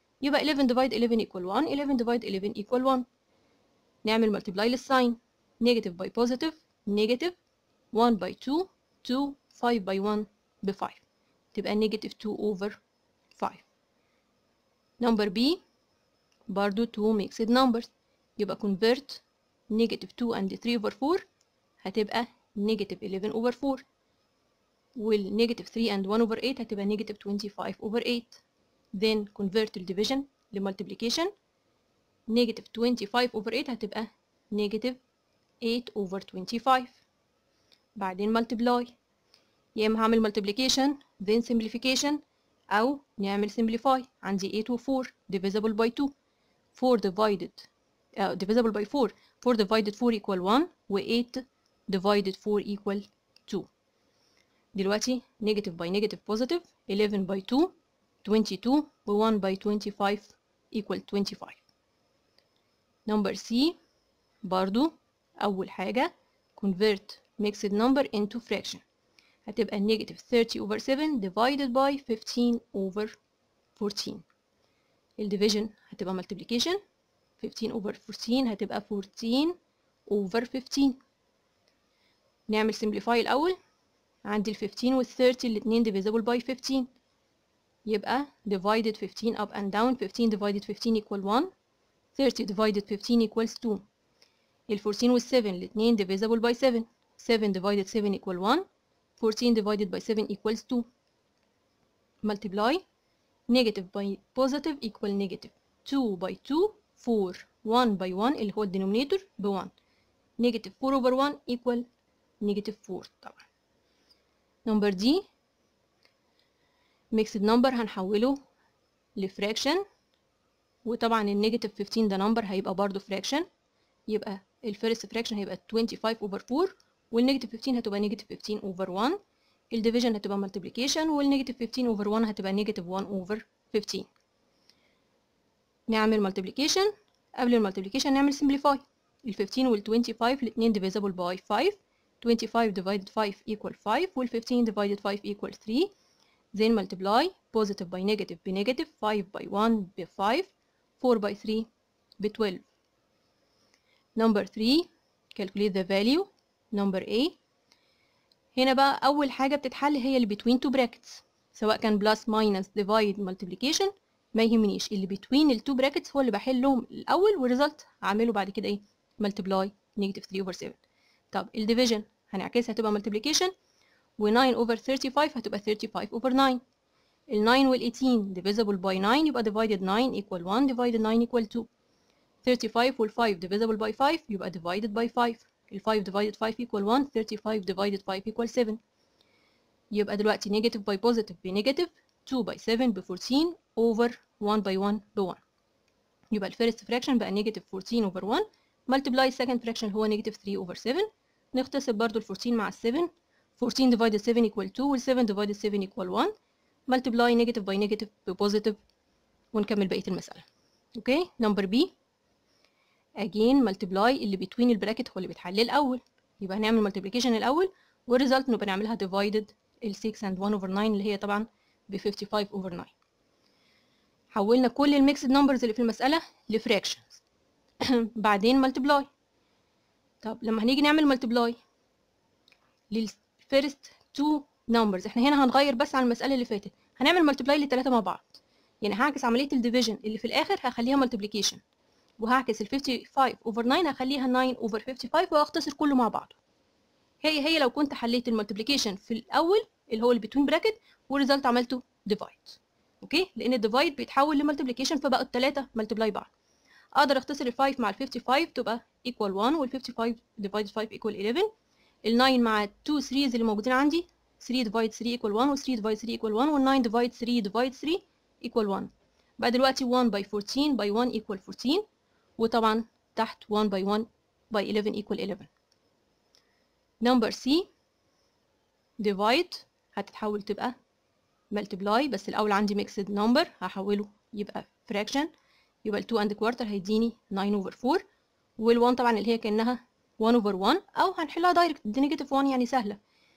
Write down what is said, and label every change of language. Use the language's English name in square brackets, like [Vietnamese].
[Arabic] يبقى [English] 11 divide 11 equal 1, 11 divide 11 equal 1. نعمل multiply للsign, negative by positive, negative, 1 by 2, 2, 5 by 1 ب 5, تبقى negative 2 over 5. Number B, برضو 2 mixed numbers, يبقى convert negative 2 and 3 over 4, هتبقى negative 11 over 4, وال negative 3 and 1 over 8 هتبقى negative 25 over 8. Then convert the division لmultiplication, negative 25 over 8 هتبقى negative 8 over 25. [Arabic] بعدين multiply, يا اما هعمل multiplication then simplification او نعمل simplify. [English] عندي 8 و 4 divisible by 2, 4 divided divisible by 4, 4 divided 4 equal 1, و 8 divided 4 equal 2. [Arabic] دلوقتي [English] negative by negative positive, 11 by 2, 22, و 1 by 25 equal 25. Number C, برضو أول حاجة convert mixed number into fraction, هتبقى negative 30 over 7 divided by 15 over 14. ال division هتبقى multiplication, 15 over 14 هتبقى 14 over 15. [Arabic] نعمل simplify الأول. عندي ال 15 وال 30 الاتنين [English] divisible by 15, يبقى divided 15 up and down. 15 divided 15 equal 1. 30 divided 15 equals 2. [Arabic] ال 14 وال 7 الاثنين divisible by 7. [English] 7 divided 7 equal 1. 14 divided by 7 equals 2. multiply negative by positive equal negative. 2 by 2 4. 1 by 1 [Arabic] اللي هو [English] denominator ب 1. negative 4 over 1 equal negative 4 طبعا. number D mixed number هنحوله لفراكشن، وطبعا النيجاتيف 15 ده نمبر هيبقى برضو فراكشن، يبقى الفيرست فراكشن هيبقى 25 اوفر 4، والنيجاتيف 15 هتبقى نيجاتيف 15 اوفر 1، الديفيجن هتبقى ملتيبليكيشن، والنيجاتيف 15 اوفر 1 هتبقى نيجاتيف 1 اوفر 15. نعمل ملتيبليكيشن، قبل الملتيبليكيشن نعمل سمبليفاي. ال 15 وال 25 الاثنين ديفيزابل باي 5، 25 ديفايدد 5 ايكوال 5، وال 15 ديفايدد 5 ايكوال 3. Then multiply positive by negative by negative, 5 by 1 by 5, 4 by 3 by 12. Number 3, calculate the value. Number A. [Arabic] هنا بقى أول حاجة بتتحل هي اللي between two brackets. [English] سواء كان plus, minus, divide, multiplication. [Arabic] ما يهمنيش. اللي between the two brackets هو اللي بحلهم الأول والريزلت عامله بعد كده إيه؟ [English] Multiply negative 3 over 7. [Arabic] طب ال division هنعكسها هتبقى multiplication. و 9 over 35 هتبقى 35 over 9. [English] ال 9 وال 18 divisible by 9 يبقى divided 9 equal 1 divided 9 equal 2. 35 وال 5 divisible by 5 يبقى divided by 5. ال 5 divided 5 equal 1. 35 divided 5 equal 7. يبقى دلوقتي negative by positive ب negative. 2 by 7 ب 14 over 1 by 1 ب 1. يبقى ال first fraction بقى negative 14 over 1. multiply second fraction هو negative 3 over 7. نختصر برضو ال 14 مع ال 7. 14 divided 7 equal 2 وال 7 divided 7 equal 1. multiply negative by negative by positive ونكمل بقية المسألة. okay number B again multiply [Arabic] اللي between البراكت هو اللي بيتحل الأول، يبقى هنعمل multiplication الأول والresult نبقى نعملها divided ال 6 and 1 over 9 اللي هي طبعا ب 55 over 9. حولنا كل المكسد [English] numbers [Arabic] اللي في المسألة لفراكشنز بعدين multiply. طب لما هنيجي نعمل multiply لل first two numbers احنا هنا هنغير بس على المسألة اللي فاتت، هنعمل multiply للتلاتة مع بعض، يعني هعكس عملية الديفيجن اللي في الآخر هخليها multiplication، وهعكس ال 55 over 9 هخليها 9 over 55 وهختصر كله مع بعض. هي لو كنت حليت المultiplication في الأول اللي هو between bracket والريزلت عملته divide. اوكي لأن [English] divide [Arabic] بيتحول لmultiplication فبقوا التلاتة multiply بعض. أقدر أختصر ال 5 مع ال 55 تبقى equal 1 وال 55 divided 5 equal 11. [English] ال 9 مع 2 3s اللي موجودين عندي 3 divide 3 equal 1 و 3 divide 3 equal 1 و 9 divide 3 divide 3 equal 1. بعد دلوقتي 1 by 14 by 1 equal 14 وطبعا تحت 1 by 1 by 11 equal 11. [Arabic] number C divide هتتحول تبقى multiply، بس الأول عندي mixed number هحوله يبقى fraction، يبقى 2 and quarter هيديني 9 over 4 وال 1 طبعا اللي هي كأنها 1 over 1 او هنحلها دايركت دي نيجاتيف 1 يعني سهله.